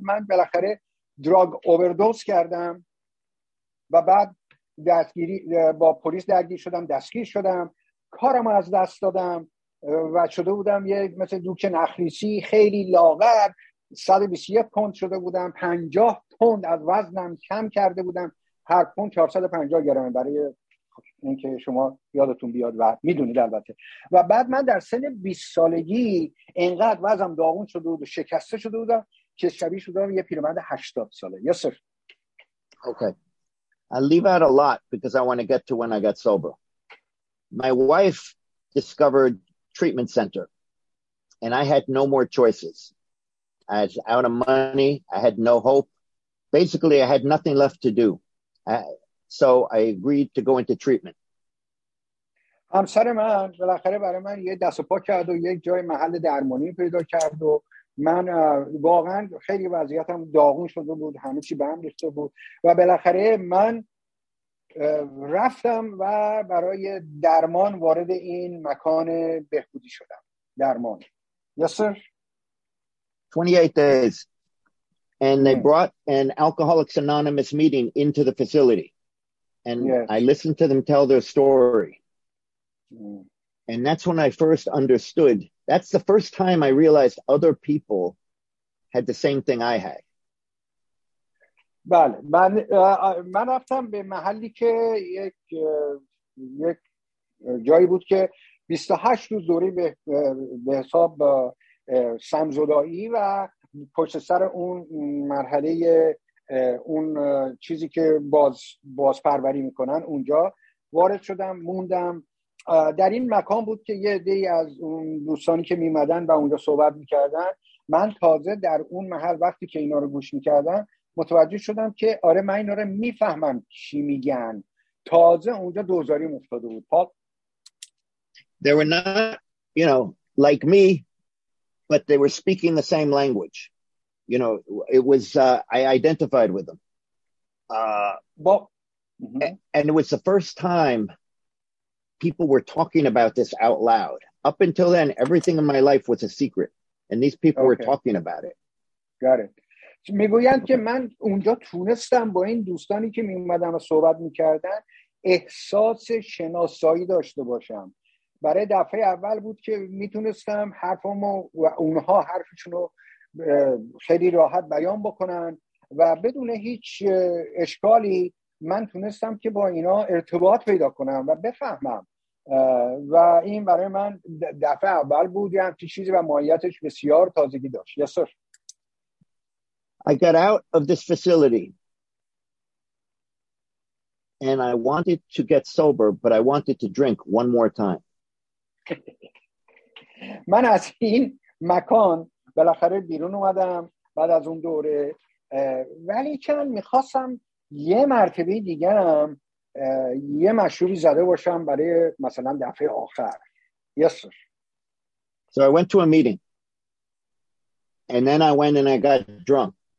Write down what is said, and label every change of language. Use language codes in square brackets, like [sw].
[fa] من بالاخره دراگ اووردوز کردم و بعد دستگیری با پلیس درگیر شدم، دستگیر شدم، کارم از دست دادم و شده بودم یک مثل دوک نخریسی، خیلی لاغر، 121 پوند شده بودم، 50 پوند از وزنم کم کرده بودم، هر پوند 450 گرم، برای این که شما یادتون بیاد و میدونید البته. و بعد من در سن 20 سالگی انقدر وزم داغون شده بود و شکسته شده بودم که شبیه شده بودم یه پیرمرد 80 ساله. [en] Yes sir. Okay. I leave out a lot because I want to get to when I got sober. My wife discovered treatment center and I had no more choices. I was out of money, I had no hope. Basically I had nothing left to do. So I agreed to go into treatment. [fa] همسر من بالاخره برای من یه دست و پا کرد و یک جای محل درمانی پیدا کرد و من واقعا خیلی وضعیتم داغون شده بود، همه چی به هم ریخته بود و بالاخره من رفتم و برای درمان وارد این مکان بهبودی شدم. [en] درمان. Yes sir. 28 days and they brought an Alcoholics Anonymous meeting into the facility. And yes. I listened to them tell their story. And that's when I first understood. That's the first time I realized other people had the same thing I had. [fa] بله. من رفتم به محلی که یک جایی بود که 28 روز دوری به حساب سمزدائی و پشت سر اون مرحله اون چیزی که باز پروری میکنن اونجا وارد شدم، موندم. در این مکان بود که یه عده‌ای از اون دوستانی که میمدن و اونجا صحبت میکردن، من تازه در اون محل وقتی که اینا رو گوش میکردم متوجه شدم که آره من اینا رو میفهمم چی میگن. تازه اونجا دوزاری مفتاده بود. پاپ [en] They were not, you know, like me, but they were speaking the same language. You know, it was, I identified with them. And it was the first time people were talking about this out loud. Up until then, everything in my life was a secret. And these people were talking about it. Got it. [fa] میگویند که من اونجا تونستم با این دوستانی که میومدن و صحبت میکردن احساس شناسایی داشته باشم. برای دفعه اول بود که میتونستم حرفامو و اونها حرفشونو خیلی راحت بیان بکنن و بدون هیچ اشکالی من تونستم که با اینا ارتباط پیدا کنم و بفهمم. و این برای من دفعه اول بود یه همچین چیزی و ماهیتش بسیار تازگی داشت. [en] Yes sir. I got out of this facility and I wanted to get sober, but I wanted to drink one more time. [fa] من از این مکان بالاخره بیرون اومدم بعد از اون دوره، ولی چون میخواستم یه مرتبه دیگرم یه مشروبی زده باشم برای مثلا دفعه آخر. [en] Yes sir. So I went to a meeting and then I went and I got drunk.